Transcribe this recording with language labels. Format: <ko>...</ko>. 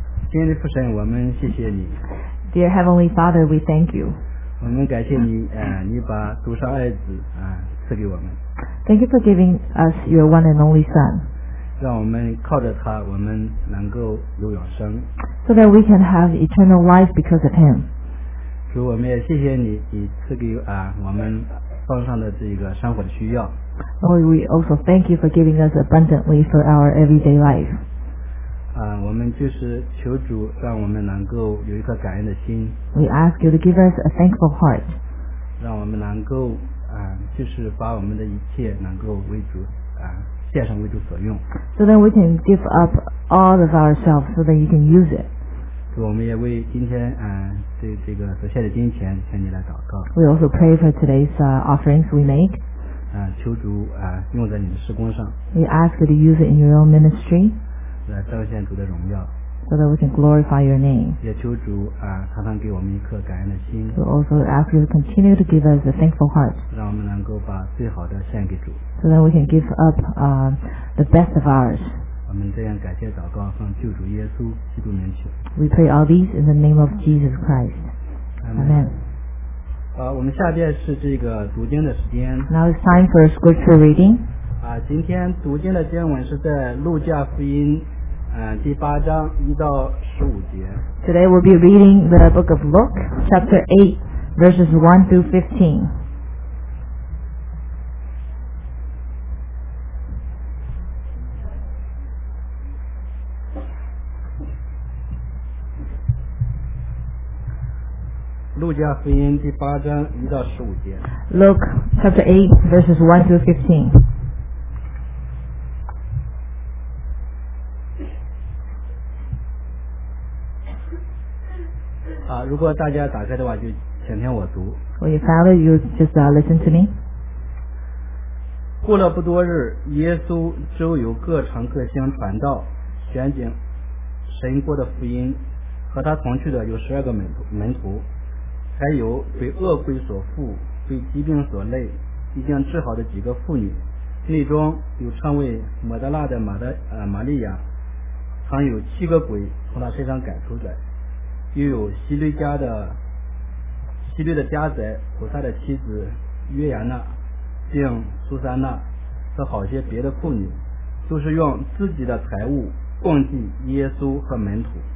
<zh>亲爱的父神，我们谢谢你。</zh> <en>Dear Heavenly Father, we thank you.</en> <zh>我们感谢你，你把独生爱子赐给我们。</zh> <en>Thank you for giving us your one and only Son.</en> <zh>让我们靠着他，我们能够有永生。</zh> <en>So that we can have eternal life because of him.</en> <zh>主，我们也谢谢你，你赐给我们放上的这个生活的需要。</zh> <en>Lord, we also thank you for giving us abundantly for our everyday life.</en> <zh>我们就是求主让我们能够有一颗感恩的心。</zh> <en>We ask you to give us a thankful heart.</en> <zh>让我们能够就是把我们的一切能够为主献上为主所用。</zh> <en>So that we can give up all of ourselves so that you can use it.</en> <zh>我们也为今天这个所献的金钱向你来祷告。</zh> <en>We also pray for today's offerings we make.</en> <zh>求主用在你的事工上。</zh> <en>We ask you to use it in your own ministry.</en> <zh>来彰显主的荣耀。</zh> <en>So that we can glorify your name.</en> <zh>也求主常常给我们一颗感恩的心。</zh> <en>We also ask you to continue to give us a thankful heart.</en> <zh>让我们能够把最好的献给主。</zh> <en>So that we can give up the best of ours.</en> <zh>我们这样感谢祷告，奉救主耶稣基督名求。</zh> <en>We pray all these in the name of Jesus Christ. Amen.</en> <zh>我们下面是这个读经的时间。</zh> <en>Now it's time for scripture reading.</en> <zh>今天读经的经文是在路加福音，第八章一到十五节。</zh> <en>Today we'll be reading the book of Luke, chapter 8, verses 1 through 15.</en> <zh>路加福音第八章一到十五节。</zh> <en>Luke chapter 8 verses 1 through 15。</en> <zh>如果大家打开的话，就请听我读。</zh> <en>When you found it, you just listen to me.</en> <zh>过了不多日，耶稣周游各城各乡传道，宣讲神国的福音，和他同去的有十二个门徒。还有被恶鬼所缚、被疾病所累、已经治好的几个妇女，内中有称为抹大拉的玛利亚，常有七个鬼从她身上赶出来，又有西律的家宅、普萨的妻子约亚娜，并苏珊娜和好些别的妇女，就是用自己的财物供给耶稣和门徒。</zh>